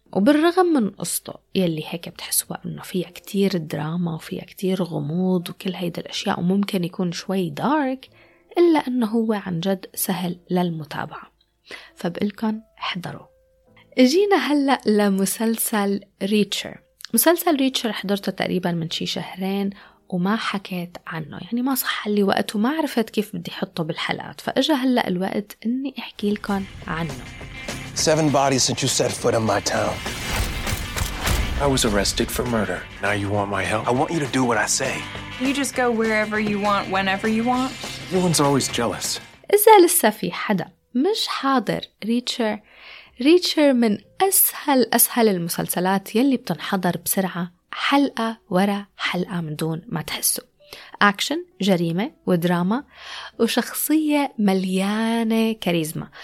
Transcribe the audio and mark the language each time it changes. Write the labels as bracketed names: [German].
[Arabic] وبالرغم من قصته يلي هيك بتحسوا أنه فيها كتير دراما وفيها كتير غموض وكل هيدا الأشياء وممكن يكون شوي دارك، إلا أنه هو عن جد سهل للمتابعة، فبقلكن احضروا. جينا هلأ لمسلسل ريتشر. مسلسل ريتشر حضرته تقريبا من شي شهرين وما حكيت عنه، يعني ما صح لي وقت وما عرفت كيف بدي حطه بالحلقات، فاجا هلا الوقت اني احكي لكم عنه. [English] 7 bodies since you set foot in my town. I was arrested for murder. Now you want my help? I want you to do what I say. You just go wherever you want whenever you want. No one's always jealous. [Arabic] اذا لسه في حدا مش حاضر ريتشر، ريتشر من اسهل المسلسلات يلي بتنحضر بسرعه حلقة ورا حلقة من دون ما تحسوا. أكشن، جريمة ودراما وشخصية مليانة كاريزما.